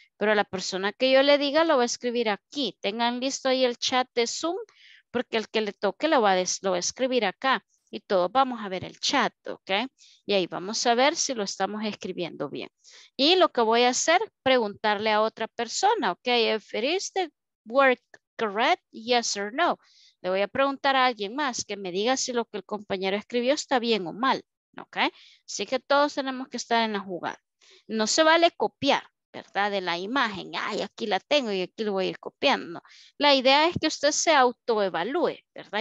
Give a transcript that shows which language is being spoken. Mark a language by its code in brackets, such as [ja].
[es] Pero la persona que yo le diga lo va a escribir aquí. Tengan listo ahí el chat de Zoom, porque el que le toque lo va a escribir acá. Y todos vamos a ver el chat, ¿ok? Y ahí vamos a ver si lo estamos escribiendo bien. Y lo que voy a hacer, preguntarle a otra persona, ¿ok? [en] If it is the word correct, yes or no. [es] Le voy a preguntar a alguien más que me diga si lo que el compañero escribió está bien o mal, ¿ok? Así que todos tenemos que estar en la jugada. No se vale copiar, ¿verdad? De la imagen. Ay, aquí la tengo y aquí lo voy a ir copiando. La idea es que usted se autoevalúe, ¿verdad?